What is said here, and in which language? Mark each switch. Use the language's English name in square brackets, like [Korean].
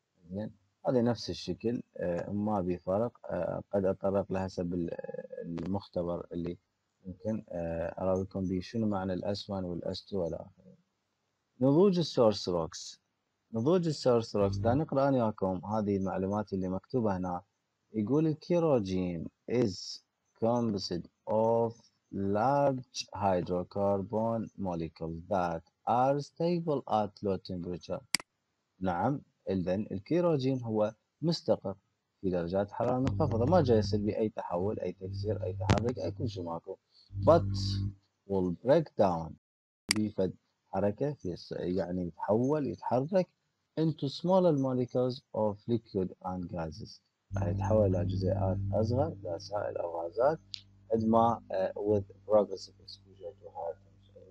[Arabic] زين هذه نفس الشكل ما بي فرق، قد أتطرق لها حسب المختبر اللي ممكن أراويكم بيه شنو معنى الأسوان والأستو ولا آخر. نضوج السورس روكس، نضوج السورس روكس ده نقرأ وياكم هذه المعلومات اللي مكتوبة هنا. [English] يقول الكيروجين is composed of large hydrocarbon molecules that are stable at low temperature. [Arabic] نعم إذن الكيروجين هو مستقر في درجات حرارة منخفضة، ما جاي يصير بي أي تحول أي تكسير أي تحرك أي كل شيء ماكو، [English] but will break down [Arabic] بفد حركة في يعني يتحول يتحرك [English] into smaller molecules of liquid and gases. [Arabic] راح يتحول الى جزيئات اصغر لسائل او غازات قد ما [English] with progressive exposure to higher temperatures.